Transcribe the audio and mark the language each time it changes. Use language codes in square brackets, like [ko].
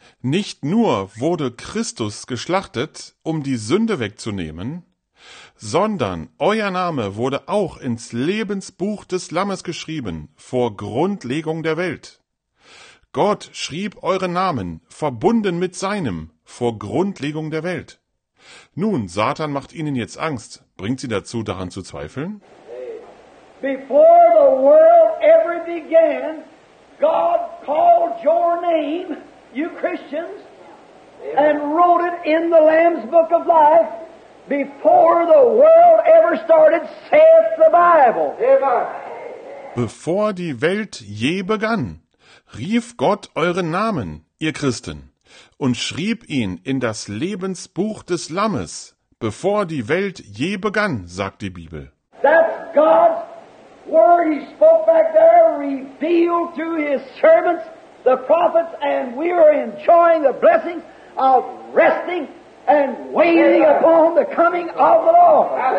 [de] Nicht nur wurde Christus geschlachtet, um die Sünde wegzunehmen, sondern euer Name wurde auch ins Lebensbuch des Lammes geschrieben, vor Grundlegung der Welt. Gott schrieb euren Namen, verbunden mit seinem, vor Grundlegung der Welt. Nun, Satan macht ihnen jetzt Angst. Bringt sie dazu, daran zu zweifeln? [en] Before the world ever began, God called your name, you Christians, and wrote it in the Lamb's Book of Life. Before the world ever started, saith the Bible. [de] Bevor die Welt je begann, rief Gott euren Namen, ihr Christen, und schrieb ihn in das Lebensbuch des Lammes. Bevor die Welt je begann, sagt die Bibel. [en] That's God's word he spoke back there, revealed to his servants, the prophets, and we are enjoying the blessings of resting and waiting upon the coming of the Lord.